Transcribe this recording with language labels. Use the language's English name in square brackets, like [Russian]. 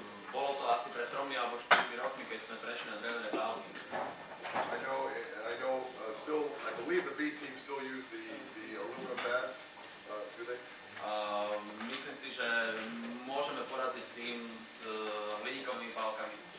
[Slovak] Bolo to asi pred 3 alebo 4 rokmi, keď sme prešli na drevené bálky. [English] I know, still, I believe the B team still use the aluminum bats, do they? [Slovak] Myslím si, že môžeme poraziť tým s hliníkovými bálkami.